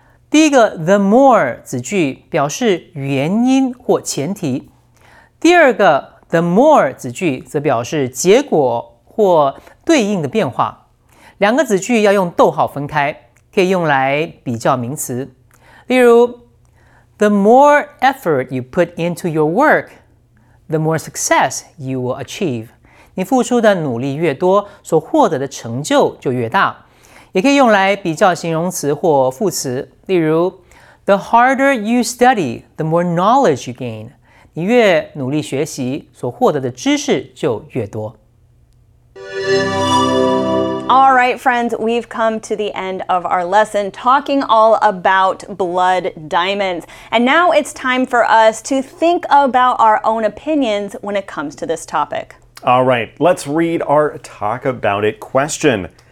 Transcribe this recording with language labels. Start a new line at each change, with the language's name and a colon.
Chinese: 第一个 the more 子句表示原因或前提，第二个 the more 子句则表示结果或对应的变化。两个子句要用逗号分开，可以用来比较名词。例如
English: the more effort you put into your work, the more success you will achieve.
Chinese: 你付出的努力越多，所获得的成就就越大。也可以用来比较形容词或副词。例如
English: the harder you study, the more knowledge you gain.
Chinese: 你越努力学习，所获得的知识就越多。
English: All right, friends, we've come to the end of our lesson talking all about blood diamonds. And now it's time for us to think about our own opinions when it comes to this topic. All right, let's read our talk about it question.